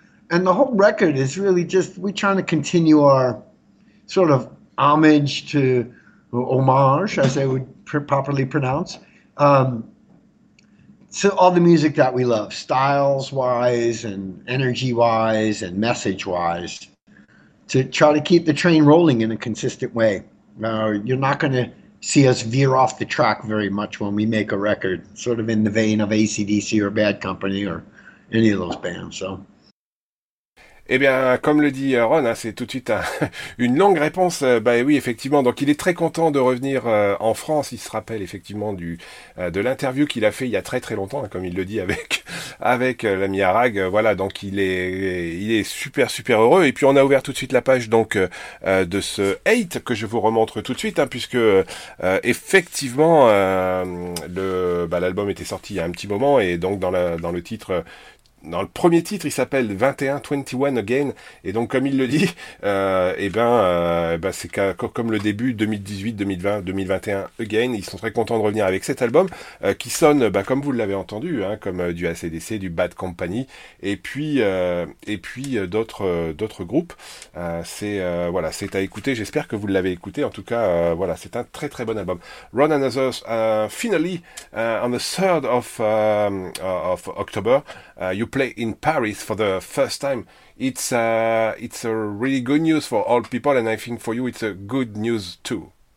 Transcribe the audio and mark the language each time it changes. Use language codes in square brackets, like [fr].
[en] And the whole record is really just we're trying to continue our sort of homage to homage, as they would properly pronounce, to all the music that we love, styles-wise and energy-wise and message-wise. To try to keep the train rolling in a consistent way. You're not going to see us veer off the track very much when we make a record, sort of in the vein of AC/DC or Bad Company or any of those bands. So. [fr] Eh bien, comme le dit Ron, c'est tout de suite une longue réponse. Ben oui, effectivement. Donc, il est très content de revenir en France. Il se rappelle effectivement de l'interview qu'il a fait il y a très très longtemps, comme il le dit avec l'ami Arag. Voilà. Donc, il est super super heureux. Et puis, on a ouvert tout de suite la page donc de ce 8 que je vous remontre tout de suite, puisque effectivement l'album était sorti il y a un petit moment et donc dans le titre. Dans le premier titre, il s'appelle 2121 Again, et donc comme il le dit, c'est comme le début 2018, 2020, 2021 Again. Ils sont très contents de revenir avec cet album qui sonne, comme vous l'avez entendu, comme du AC/DC, du Bad Company, et puis d'autres groupes. C'est à écouter. J'espère que vous l'avez écouté. En tout cas, c'est un très très bon album. [en] Run Another, finally on the 3rd of October. You play in Paris for the first time. It's a really good news for all people, and I think for you it's a good news too.